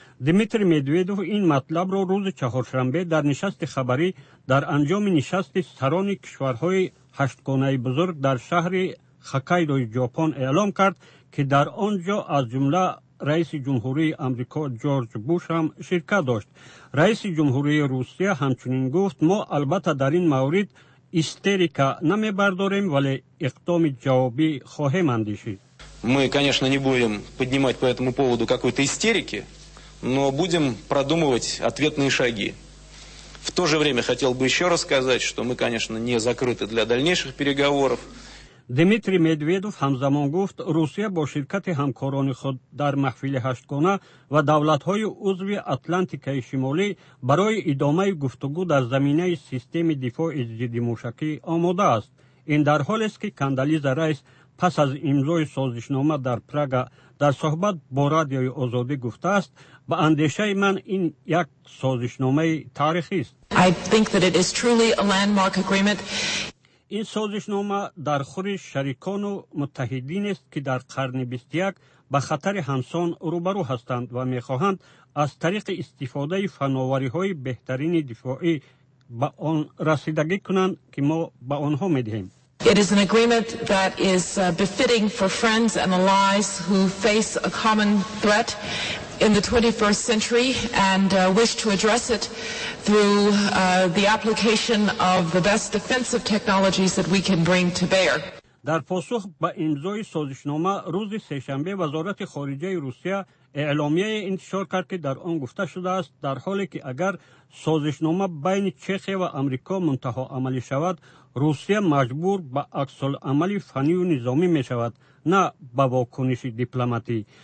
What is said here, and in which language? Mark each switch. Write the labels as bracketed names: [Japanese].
[Persian] دیمیتری مدودف این مطلب را روز چهارشنبه در نشست خبری در انجام نشست سران کشورهای هشتگانه بزرگ در شهر هوکایدو ژاپن اعلام کرد که در آنجا از جمله رئیس جمهوری آمریکا جورج بوش هم شرکت داشت. رئیس جمهوری روسیه همچنین گفت ما البته در این مورد استریکا نمی برداریم ولی اقدام جوابی خواهیم اندیشید. ما [Russian] конечно не будем поднимать по этому поводу какой-то истерики, но будем продумывать ответные шаги. В то же время хотел бы еще рассказать, что мы конечно не закрыты для дальнейших переговоров. [Persian] دیمیتری مدودف همزمان گفت روسیه با شرکت همکاران خود در محفل هشتگانه و دولت‌های عضو اتلانتیک شمالی برای ادامه گفتگو در زمینه سیستم دفاع ضد موشکی آماده است. این در حالی است که کاندالیزا رئیس پس از امضای سازشنامه در پراگ در صحبت با رادیوی آزادی گفته است به اندیشه من این یک سازشنامه تاریخی است. [English] I think that it is truly a landmark agreement. [Persian] این سازشنامه در خور شریکان و متحدین است که در قرن 21 به خطر همسان روبرو هستند و می خواهند از طریق استفاده فناوری های بهترین دفاعی به آن رسیدگی کنند که ما به آنها می دهیم. [English] It is an agreement that is befitting for friends and allies who face a common threat in the 21st century and wish to address it through the application of the best defensive technologies that we can bring to bear. [Persian] در پاسخ به امضای سازشنامه روز سه‌شنبه وزارت خارجه روسیه اعلامیه انتشار کرد که در آن گفته شده است در حالی که اگر سازشنامه بین چخی و امریکا منتها عملی شود، روسیه مجبور به اکسل عملی فنی و نظامی می شود، نه به واکنش دیپلماتی.